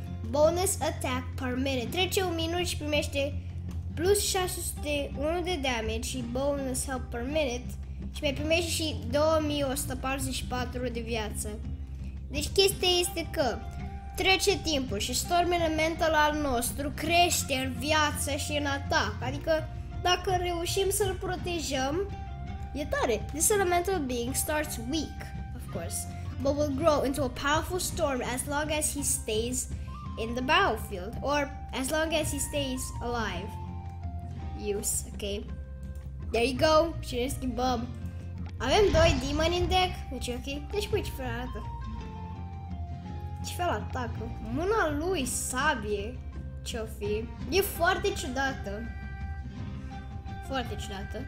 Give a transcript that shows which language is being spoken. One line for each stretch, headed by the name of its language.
English: Bonus attack per minute.
Romanian: Trece un minut și primește plus 601 de damage și bonus health per minute și mai primește și 2144 de viață. Deci chestia este că trece timpul și Storm Elemental al nostru crește în viață și în atac. Adică dacă reușim să-l protejăm, e tare.
English: This elemental being starts weak, of course, but will grow into a powerful storm as long as he stays in the battlefield, or as long as he stays alive. Use, okay. There you go,
Romanian: și ne schimbăm. Avem doi demon in deck, deci ok. Deci pui ce fel arată. Ce fel atacă? Mâna lui sabie, ce-o fi. E foarte ciudată. Foarte ciudată.